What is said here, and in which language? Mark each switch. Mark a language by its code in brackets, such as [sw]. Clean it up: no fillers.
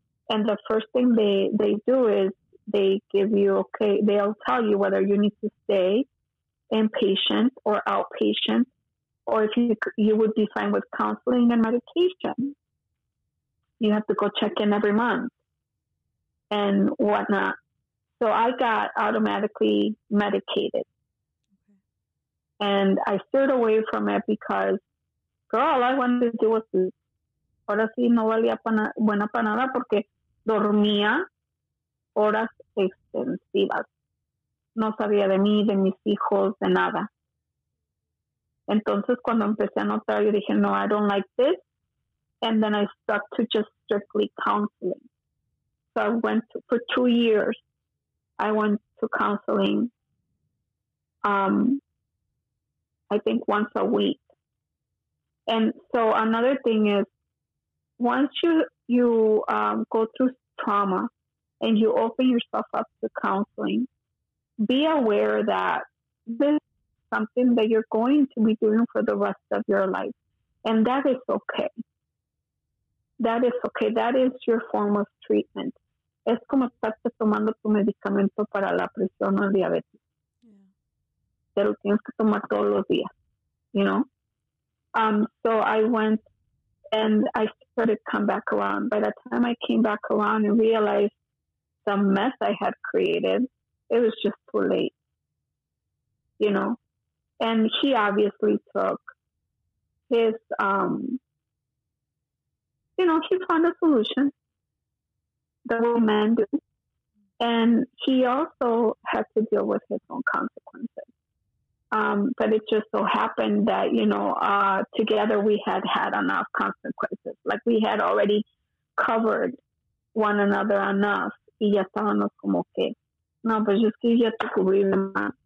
[en] And the first thing they do is they give you, okay, they'll tell you whether you need to stay inpatient or outpatient, or if you would be fine with counseling and medication. You have to go check in every month and whatnot. So I got automatically medicated. And I stared away from it because, girl, all I wanted to do was sleep. [es] Ahora sí, no valía buena para nada porque dormía horas extensivas. No sabía de mí, de mis hijos, de nada. Entonces, cuando empecé a notar, yo dije, no, [en] I don't like this. And then I stuck to just strictly counseling. So I went for 2 years. I went to counseling. I think once a week. And so another thing is, once you go through trauma and you open yourself up to counseling, be aware that this is something that you're going to be doing for the rest of your life. And that is okay. That is okay. That is your form of treatment. [es] Es como estás tomando tu medicamento para la presión o el diabetes. Te lo tienes que tomar todos los días. [en] You know, so I went and I started to come back around. By the time I came back around and realized the mess I had created, it was just too late, you know. And he obviously took his, you know, he found a solution, the way men do. And he also had to deal with his own consequences. But it just so happened that, you know, together we had enough consequences. like we had already covered one another enough. [es] Y ya estábamos como que, no, pues es que ya te cubrí de más.